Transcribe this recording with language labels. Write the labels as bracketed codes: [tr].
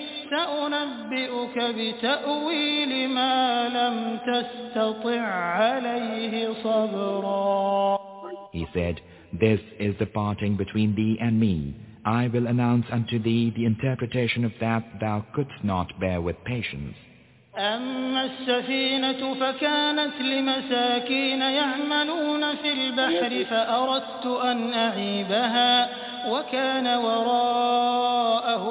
[ar] سأنبئك بتأويل ما لم تستطع عليه صبرا [en] He said, This is the parting between thee and me. I will announce unto thee the interpretation of that thou couldst not bear with patience. [ar] أما السفينة فكانت لمساكين يعملون في البحر فأردت أن أعيبها وكان وراءهم